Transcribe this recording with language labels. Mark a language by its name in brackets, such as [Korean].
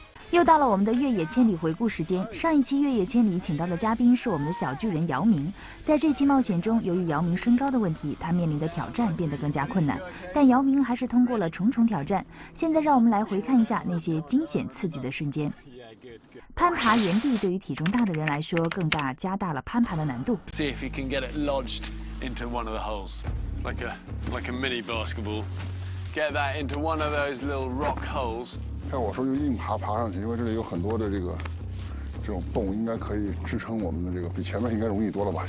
[Chinese] 又到了我们的越野千里回顾时间。上一期越野千里请到的嘉宾是我们的小巨人姚明，在这期冒险中，由于姚明身高的问题，他面临的挑战变得更加困难，但姚明还是通过了重重挑战。现在让我们来回看一下那些惊险刺激的瞬间。攀爬岩壁对于体重大的人来说更大加大了攀爬的难度。 [English] See if you can get it lodged into one of the holes, like a mini basketball. Get that into one of those little rock holes. [Chinese] 像我说就硬爬爬上去，因为这里有很多的这种洞，应该可以支撑我们的这个，比前面应该容易多了吧？